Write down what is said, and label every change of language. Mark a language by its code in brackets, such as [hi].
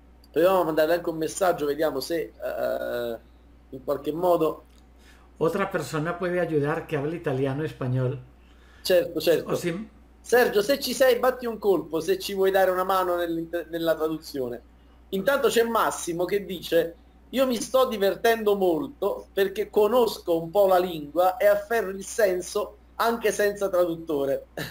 [it] Proviamo a mandare anche un messaggio, vediamo se in qualche modo... [es] Otra persona puede ayudar que hable italiano [it] e spagnolo. Certo, certo. Sergio, se ci sei, batti un colpo, se ci vuoi dare una mano nella traduzione. Intanto c'è Massimo che dice: io mi sto divertendo molto perché conosco un po' la lingua e afferro il senso anche senza traduttore.